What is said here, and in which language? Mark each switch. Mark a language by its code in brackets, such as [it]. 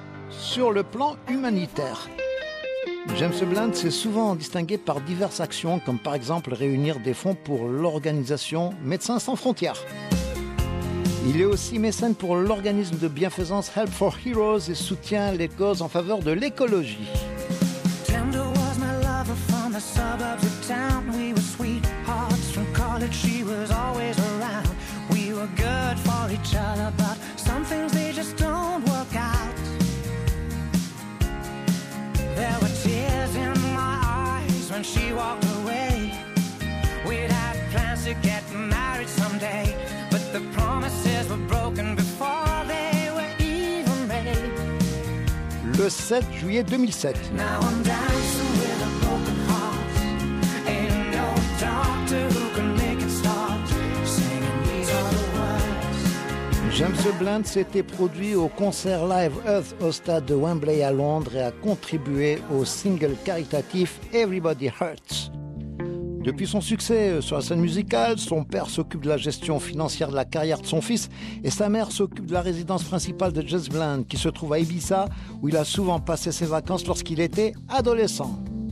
[fr] Sur le plan humanitaire, James Blunt s'est souvent distingué par diverses actions, comme par exemple réunir des fonds pour l'organisation Médecins sans frontières. Il est aussi mécène pour l'organisme de bienfaisance Help for Heroes et soutient les causes en faveur de l'écologie. [en] Tender was my lover from the suburbs of town. We were sweethearts from college, she was always around. We were good for each other, but some things they just don't work out. There were tears in my eyes when she walked away. We'd had plans to get married someday. The promises were broken before they were even made. [fr] Le 7 juillet 2007. [en] Now I'm dancing with a broken heart. Ain't no doctor who can make it stop. Singing these are the words. [fr] James Blunt s'était produit au concert Live Earth au stade de Wembley à Londres et a contribué au single caritatif Everybody Hurts. Depuis son succès sur la scène musicale, son père s'occupe de la gestion financière de la carrière de son fils et sa mère s'occupe de la résidence principale de James Blunt qui se trouve à Ibiza où il a souvent passé ses vacances lorsqu'il était adolescent.